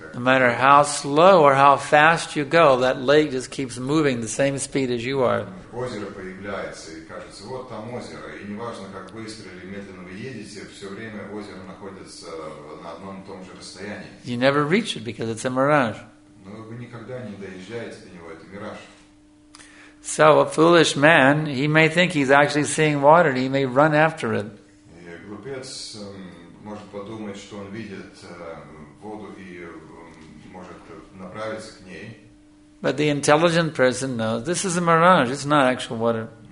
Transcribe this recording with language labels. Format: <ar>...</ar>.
<en>No matter how slow or how fast you go, that lake just keeps moving the same speed as you are.</en> <ru>Озеро появляется, и кажется, вот там озеро. И неважно, как быстро или медленно вы едете, все время озеро находится на одном и том же расстоянии.</ru> <en>You never reach it because it's a mirage.</en> <ru>Но вы никогда не доезжаете до него, это мираж.</ru> <en>So a foolish man, he may think he's actually seeing water, and he may run after it.</en> <ru>И глупец может подумать, что он видит воду и может направиться к ней.</ru> <en>But the intelligent person knows this is a mirage, it's not actual water.</en>